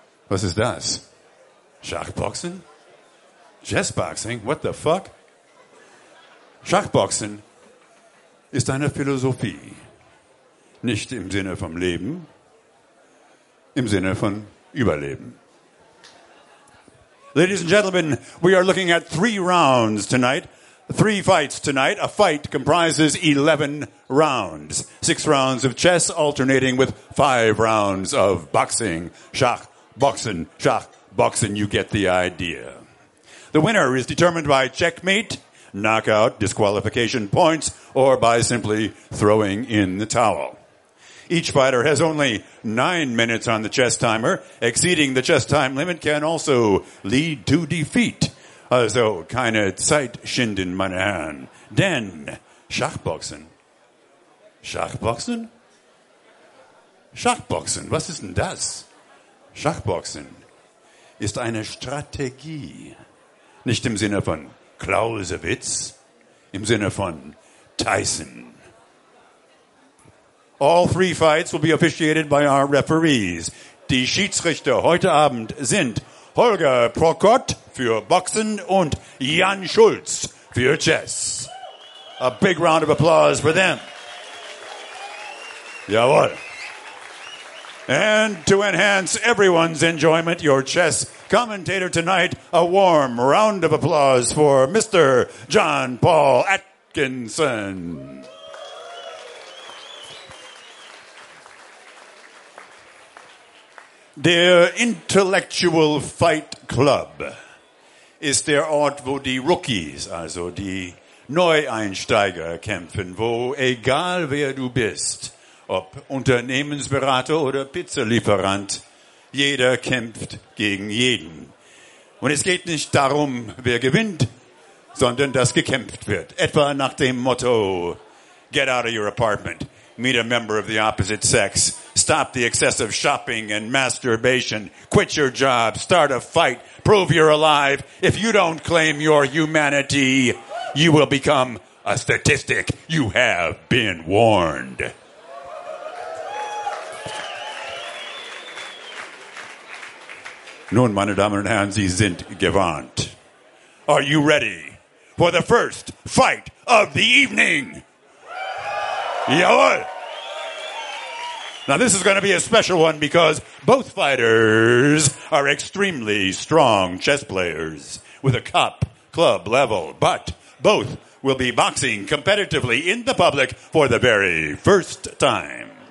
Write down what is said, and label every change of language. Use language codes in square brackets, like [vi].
[de] Was ist das? Schachboxen? [en] Chessboxing? What the fuck? [de] Schachboxen ist eine Philosophie. Nicht im Sinne vom Leben, im Sinne von Überleben. [en] Ladies and gentlemen, we are looking at three rounds tonight. Three fights tonight. A fight comprises 11 rounds. Six rounds of chess alternating with five rounds of boxing. [de] Schach, boxen, schach. [en] Boxing, you get the idea. The winner is determined by checkmate, knockout, disqualification points, or by simply throwing in the towel. Each fighter has only 9 minutes on the chess timer. Exceeding the chess time limit can also lead to defeat. [de] Also, keine Zeit schinden, meine Herren. Denn Schachboxen. Schachboxen? Schachboxen, was ist denn das? Schachboxen ist eine Strategie, nicht im Sinne von Clausewitz, im Sinne von Tyson. [en] All three fights will be officiated by our referees. [de] Die Schiedsrichter heute Abend sind Holger Prokot für Boxen und Jan Schulz für Chess. [en] A big round of applause for them. Jawohl. And to enhance everyone's enjoyment, your chess commentator tonight, a warm round of applause for Mr. John Paul Atkinson. [de] Der Intellectual Fight Club ist der Ort, wo die Rookies, also die Neueinsteiger, kämpfen, wo, egal wer du bist, ob Unternehmensberater oder Pizzalieferant, jeder kämpft gegen jeden. Und es geht nicht darum, wer gewinnt, sondern dass gekämpft wird. Etwa nach dem Motto, [en] get out of your apartment, meet a member of the opposite sex, stop the excessive shopping and masturbation, quit your job, start a fight, prove you're alive. If you don't claim your humanity, you will become a statistic. You have been warned. [de] Nun, meine Damen und Herren, Sie sind gewarnt. [en] Are you ready for the first fight of the evening? Jawohl! Now, this is going to be a special one because both fighters are extremely strong chess players with a cup club level, but both will be boxing competitively in the public for the very first time.